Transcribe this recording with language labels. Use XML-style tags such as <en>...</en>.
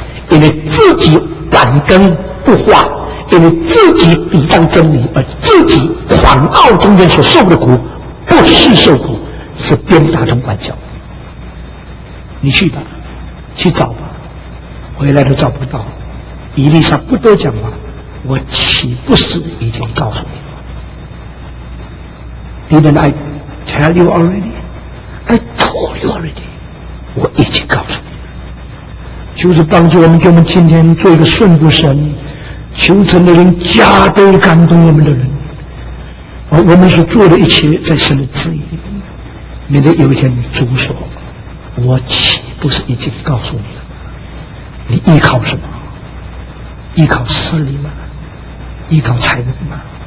<zh>因为自己板根不化，因为自己抵挡真理，而自己狂傲中间所受的苦不是受苦，是鞭打中管教。你去吧，去找吧，回来都找不到。伊丽莎不多讲话，我岂不是已经告诉你了？</zh> <en>Didn't I tell you already? I told you already.</en> <zh>我已经告诉你了。就是帮助我们，给我们今天做一个顺服神、求神的人，加倍感动我们的人。而我们所做的一切，在神的旨意里，免得有一天主说：“我岂不是已经告诉你了？” 你依靠什么？依靠势力吗？依靠才能吗？</zh>